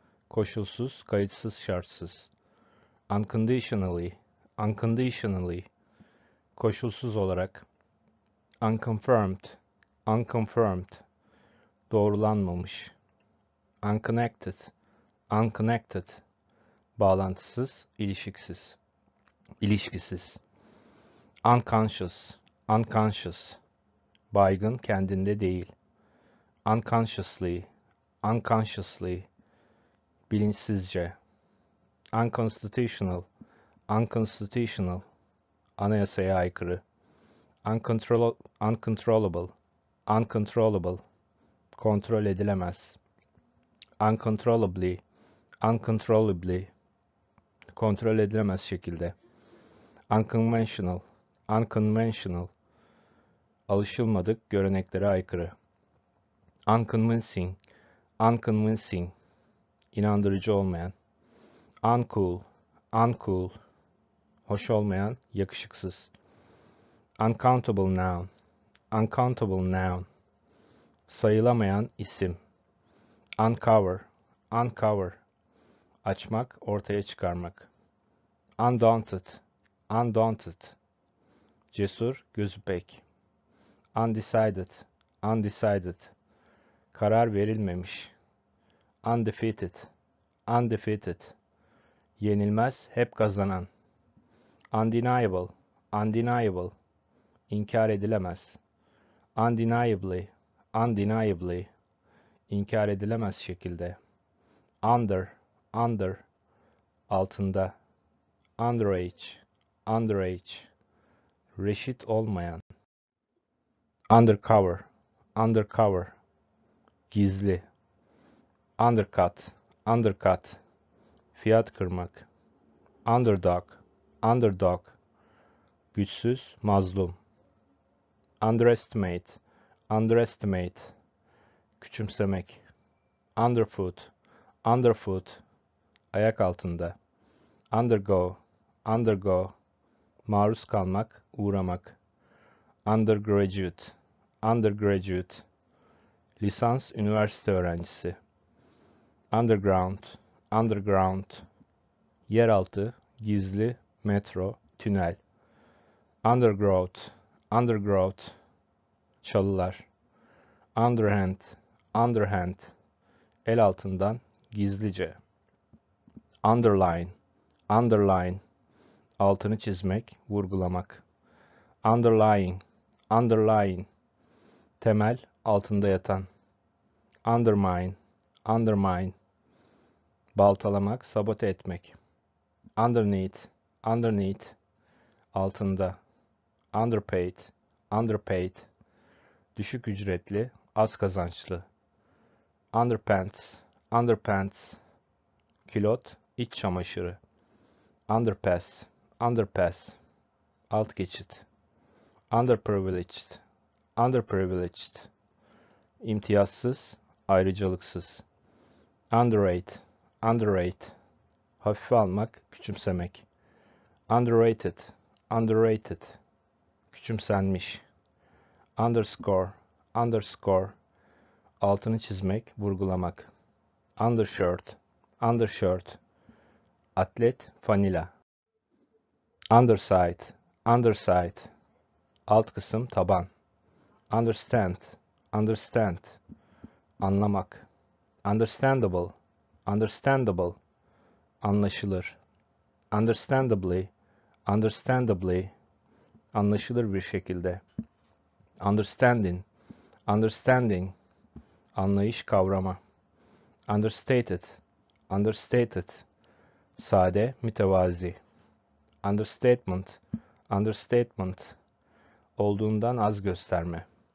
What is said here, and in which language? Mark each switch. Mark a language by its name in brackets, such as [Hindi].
[Turkish] Koşulsuz, kayıtsız, şartsız. [English] Unconditionally, unconditionally. [Turkish] Koşulsuz olarak. [English] Unconfirmed, unconfirmed. [Turkish] Doğrulanmamış. [English] Unconnected, unconnected. [Turkish] Bağlantısız, ilişiksiz. İlişkisiz. [English] Unconscious, unconscious. [Turkish] Baygın, kendinde değil. [English] Unconsciously, unconsciously. [Turkish] Bilinçsizce. [English] Unconstitutional, unconstitutional. [Turkish] Anayasaya aykırı. [English] Uncontrollable, uncontrollable. [Turkish] Kontrol edilemez. [English] Uncontrollably, uncontrollably. [Turkish] Kontrol edilemez şekilde. [English] Unconventional, unconventional. [Turkish] Alışılmadık, göreneklere aykırı. [English] Unconvincing, unconvincing. [Turkish] İnandırıcı olmayan. [English] Uncool, uncool. [Turkish] Hoş olmayan, yakışıksız. [English] Uncountable noun, uncountable noun. [Turkish] Sayılamayan isim. [English] Uncover, uncover. [Turkish] Açmak, ortaya çıkarmak. [English] Undaunted, undaunted. [Turkish] Cesur, gözü pek. [English] Undecided, undecided. [Turkish] Karar verilmemiş. [English] Undefeated, undefeated. [Turkish] Yenilmez, hep kazanan. [English] Undeniable, undeniable. [Turkish] İnkar edilemez. [English] Undeniably, undeniably. [Turkish] İnkar edilemez şekilde. [English] Under, under. [Turkish] Altında. [English] Underage, underage. [Turkish] Reşit olmayan. [English] Undercover, undercover. [Turkish] Gizli. [English] Undercut, undercut. [Turkish] Fiyat kırmak. [English] Underdog, underdog. [Turkish] Güçsüz, mazlum. [English] Underestimate, underestimate. [Turkish] Küçümsemek. [English] Underfoot, underfoot. [Turkish] Ayak altında. [English] Undergo, undergo. [Turkish] Maruz kalmak, uğramak. [English] Undergraduate, undergraduate. [Turkish] Lisans, üniversite öğrencisi. [English] Underground, underground. [Turkish] Yeraltı, gizli, metro, tünel. [English] Undergrowth, undergrowth. [Turkish] Çalılar. [English] Underhand, underhand. [Turkish] El altından, gizlice. [English] Underline, underline. [Turkish] Altını çizmek, vurgulamak. [English] Underlying, underlying. [Turkish] Temel, altında yatan. [English] Undermine, undermine. [Turkish] Baltalamak, sabote etmek. [English] Underneath, underneath. [Turkish] Altında. [English] Underpaid, underpaid. [Turkish] Düşük ücretli, az kazançlı. [English] Underpants, underpants. [Turkish] Külot, iç çamaşırı. [English] Underpass, underpass. [Turkish] Alt geçit. [English] Underprivileged, underprivileged. [Turkish] İmtiyazsız, ayrıcalıksız. [English] Underrate, underrate. [Turkish] Hafife almak, küçümsemek. [English] Underrated, underrated. [Turkish] Küçümsenmiş. [English] Underscore, underscore. [Turkish] Altını çizmek, vurgulamak. [English] Undershirt, undershirt. [Turkish] Atlet, fanila. [English] Underside, underside. [Turkish] Alt kısım, taban. [English] Understand, understand. [Turkish] Anlamak. [English] Understandable, understandable. [Turkish] Anlaşılır. [English] Understandably, understandably. [Turkish] Anlaşılır bir şekilde. [English] Understanding, understanding. [Turkish] anlayış, kavrama. [English] Understated, understated, [Turkish] sade, mütevazi. [English] Understatement, understatement, [Turkish] olduğundan az gösterme.